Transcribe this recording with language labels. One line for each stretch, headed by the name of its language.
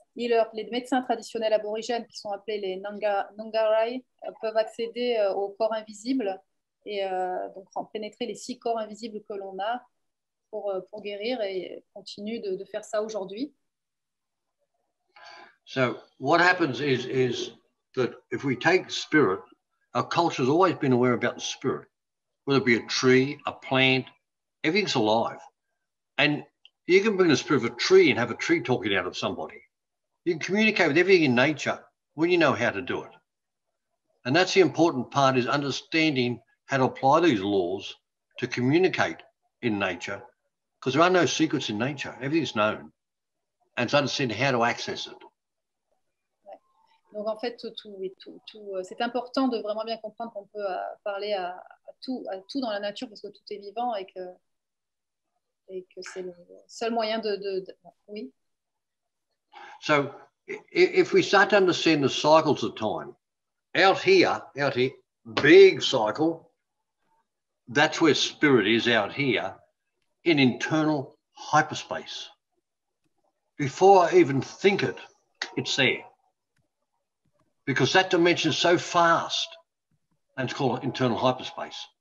French: healers, les médecins traditionnels aborigènes qui sont appelés les Nungari peuvent accéder au corps invisible et donc pénétrer les six corps invisibles que l'on a pour guérir et continuent de faire ça aujourd'hui.
English: So what happens is that if we take spirit, our culture has always been aware about the spirit. Whether it be a tree, a plant, everything's alive. And you can bring the spirit of a tree and have a tree talking out of somebody. You can communicate with everything in nature when you know how to do it. And that's the important part, is understanding how to apply these laws to communicate in nature, because there are no secrets in nature. Everything's known. And it's understanding how to access it.
French: Donc, en fait, tout, c'est important de vraiment bien comprendre qu'on peut parler à tout dans la nature parce que tout est vivant et que c'est le seul moyen de... Oui.
English: So, if we start to understand the cycles of time, out here, big cycle, that's where spirit is out here, in internal hyperspace. Before I even think it, it's there. Because that dimension is so fast, and it's called internal hyperspace.